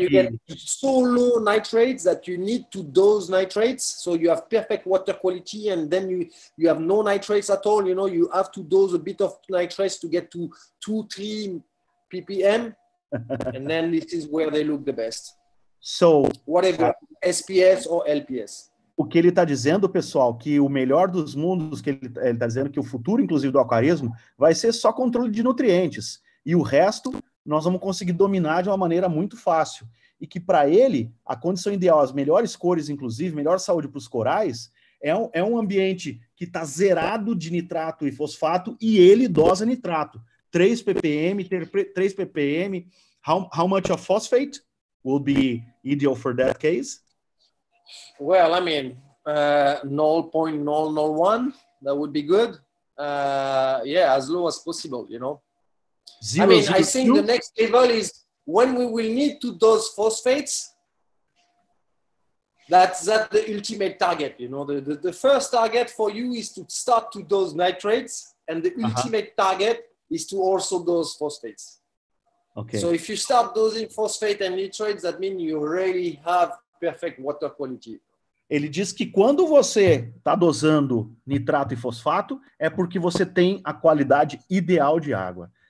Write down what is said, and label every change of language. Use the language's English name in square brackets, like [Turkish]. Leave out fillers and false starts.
[Portuguese] que... [English] So when you get so low nitrates that you need to dose nitrates, so you have perfect water quality and then you have no nitrates at all, you know, you have to dose a bit of nitrates to get to 2-3 ppm, and then this is where they look the best. So... Whatever, SPS or LPS. [Portuguese] O que ele está dizendo, pessoal, que o melhor dos mundos, que ele está dizendo que o futuro, inclusive, do aquarismo, vai ser só controle de nutrientes. E o resto, nós vamos conseguir dominar de uma maneira muito fácil. E que, para ele, a condição ideal, as melhores cores, inclusive, melhor saúde para os corais, é um ambiente que está zerado de nitrato e fosfato, e ele dosa nitrato. [English] 3 ppm, 3 ppm. How much of phosphate will be ideal for that case? Well, I mean, 0.001, that would be good. Yeah, as low as possible, you know. Zero, I mean, zero, I think zero? The next level is when we will need to dose phosphates. That's the ultimate target, you know. The first target for you is to start to dose nitrates, and the ultimate target is to also dose phosphates. Okay. So if you start dosing phosphate and nitrates, that means you really have perfect water quality. [Portuguese] Ele diz que quando você está dosando nitrato e fosfato, é porque você tem a qualidade ideal de água.